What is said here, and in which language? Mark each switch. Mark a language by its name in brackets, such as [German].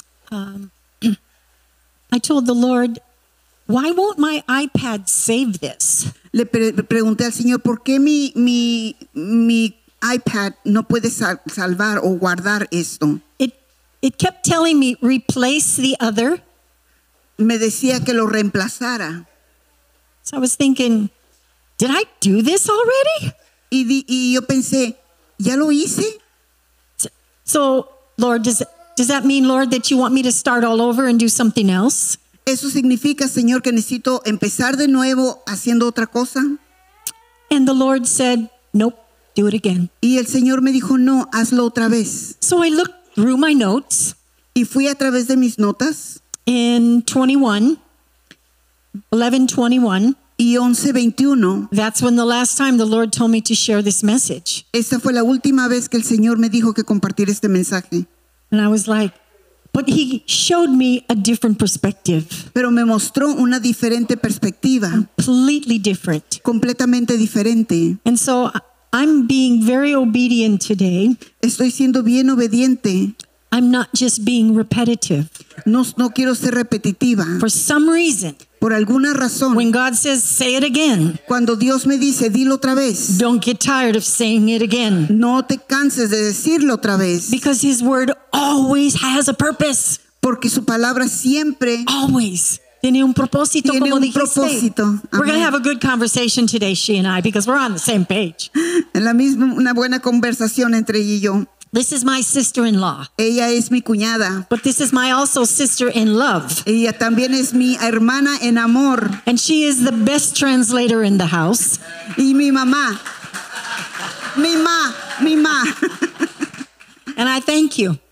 [English] I told the Lord, why won't my iPad save this? [Spanish] Le pregunté al Señor, ¿por qué mi iPad no puede salvar o guardar esto? [English] It kept telling me, replace the other. [Spanish] Me decía que lo reemplazara. [English] So I was thinking, did I do this already? [Spanish] Y yo pensé, ¿ya lo hice? [English] So, Lord, does that mean, Lord, that you want me to start all over and do something else? [Spanish] ¿Eso significa, Señor, que necesito empezar de nuevo haciendo otra cosa? [English] And the Lord said, nope, do it again. [Spanish] Y el Señor me dijo, no, hazlo otra vez. [English] So I looked through my notes. [Spanish] Y fui a través de mis notas. [English] In 11:21. That's when the last time the Lord told me to share this message. [Spanish] Esta fue la última vez que el Señor me dijo que compartir este mensaje. [English] And I was like, but he showed me a different perspective. [Spanish] Pero me mostró una diferente perspectiva. [English] Completely different. [Spanish] Completamente diferente. [English] And so I'm being very obedient today. [Spanish] Estoy siendo bien obediente. [English] I'm not just being repetitive. [Spanish] No quiero ser repetitiva. [English] For some reason. [Spanish] Por alguna razón. [English] When God says, say it again. [Spanish] Cuando Dios me dice, dilo otra vez. [English] Don't get tired of saying it again. [Spanish] No te canses de decirlo otra vez. [English] Because his word always has a purpose. [Spanish] Porque su palabra siempre. [English] Always. [Spanish] Tiene un propósito, tiene como un dijiste. Propósito. [English] We're going to have a good conversation today, she and I, because we're on the same page. [Spanish] En la misma, una buena conversación entre ella y yo. [English] This is my sister-in-law. [Spanish] Ella es mi cuñada. [English] But this is my also sister-in-love. [Spanish] Ella también es mi hermana en amor. [English] And she is the best translator in the house. [Spanish] Y mi mamá. Mi ma. [English] And I thank you.